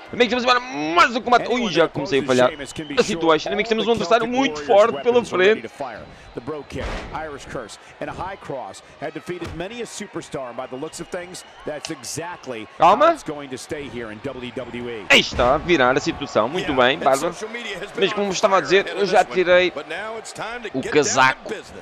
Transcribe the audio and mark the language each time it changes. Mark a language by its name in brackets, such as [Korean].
[Portuguese] Amigos, vamos embora, mais um combate. Ui, já comecei a falhar a situação. Amigos, temos um adversário muito forte pela frente. [English] The bro kick, Irish curse, and a high cross had defeated many a superstar. By the looks of things, that's exactly how it's going to stay here in WWE. [Portuguese] Aí está, virar a situação, muito bem, Bárbaro. Mas como estava a dizer, eu já tirei o casaco.